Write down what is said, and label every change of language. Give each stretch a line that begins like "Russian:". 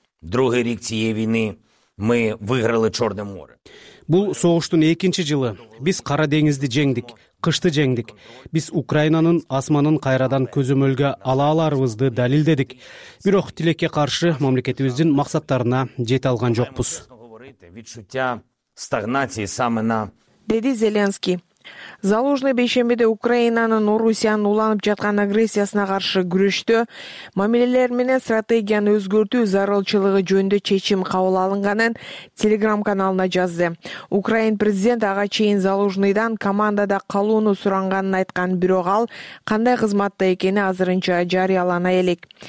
Ukrainian: Другий рік цієї війни ми виграли Чорне море.
Kyrgyz: Бул согуштун экинчи жылы. Биз Кара деңизди жеңдик, кышты жеңдик. Биз Украинанын асманын кайрадан көзөмөлгө ала аларыбызды далилдедик. Бирок тилекке каршы мамлекетибиздин максаттарына жете алган жокпуз.
Ukrainian: Відчуття стагнації саме на
Kyrgyz: деди Зеленский. Залужный бейшембиде Украинанын Орусиянын уланып жаткан агрессиясына каршы күрөштө мамилелер менен стратегияны өзгөртүү зарылчылыгы жөнүндө чечим кабыл алынганын Telegram каналына жазды. Украин президенти ага чейин Залужныйдан командада калууну суранганын айткан, бирок ал кандай кызматта экени азырынча жарыялана элек.